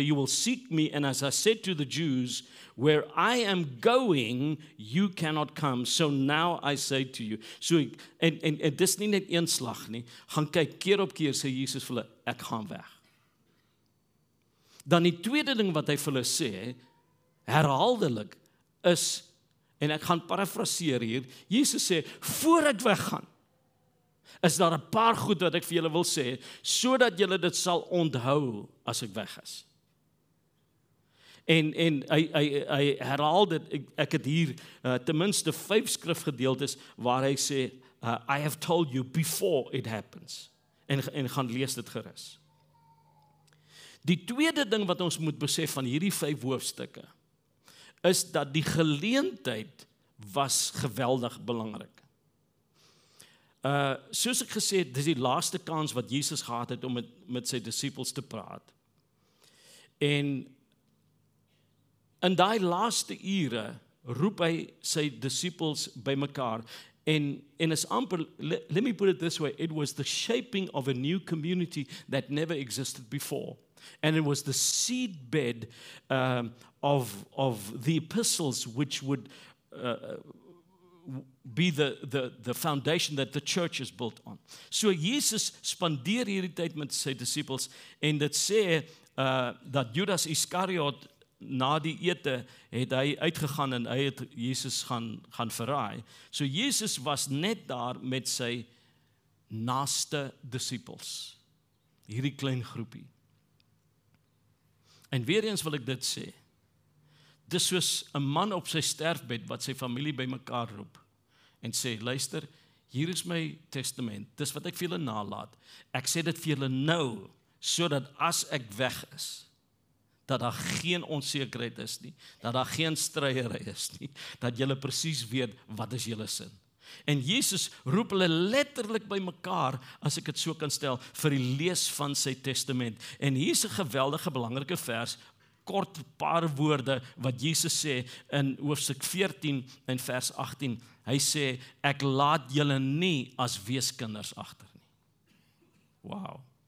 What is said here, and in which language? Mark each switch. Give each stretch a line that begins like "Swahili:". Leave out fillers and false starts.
English: You will seek me, and as I said to the Jews, where I am going, you cannot come. So now I say to you.
Afrikaans: So, en dis nie net een slag nie. Gaan kyk, keer op keer, sê Jesus vir hulle, ek gaan weg. Dan die tweede ding wat hy vir hulle sê, herhaaldelik, is, en ek gaan parafraseer hier, Jesus sê, voor ek weggaan, is daar een paar goed wat ek vir julle wil sê, sodat julle dit sal onthou as ek weg is. En hy herhaal dit, ek het hier tenminste vyf skrifgedeeltes waar hy sê,
English: I have told you before it happens,
Afrikaans: en gaan lees dit gerus. Die tweede ding wat ons moet besef van hierdie vyf hoofstukke, is dat die geleentheid was geweldig belangrik. Soos ek gesê het, dis die laaste kans wat Jesus gehad het om met sy disciples te praat. En in die laaste ure roep hy sy disciples by mekaar. En is amper,
English: let me put it this way, it was the shaping of a new community that never existed before. And it was the seedbed of the epistles which would be the foundation that the church is built on.
Afrikaans: So Jesus spandeer hierdie tyd met sy disciples, en dit sê dat Judas Iscariot na die ete het hy uitgegaan en hy het Jesus gaan verraai. So Jesus was net daar met sy naaste disciples, hierdie klein groepie. En weer eens wil ek dit sê, dis soos een man op sy sterfbed wat sy familie by mekaar roep en sê, luister, hier is my testament, dis wat ek vir julle nalaat, ek sê dit vir julle nou, sodat as ek weg is, dat daar geen onsekerheid is nie, dat daar geen stryery is nie, dat julle presies weet wat is julle sin. En Jesus roep hulle letterlik by mekaar, as ek het so kan stel, vir die lees van sy testament. En hier is 'n geweldige belangrike vers, kort paar woorde wat Jesus sê in hoofstuk 14 en vers 18. Hy sê, ek laat julle nie as weeskinders agter nie. Wow.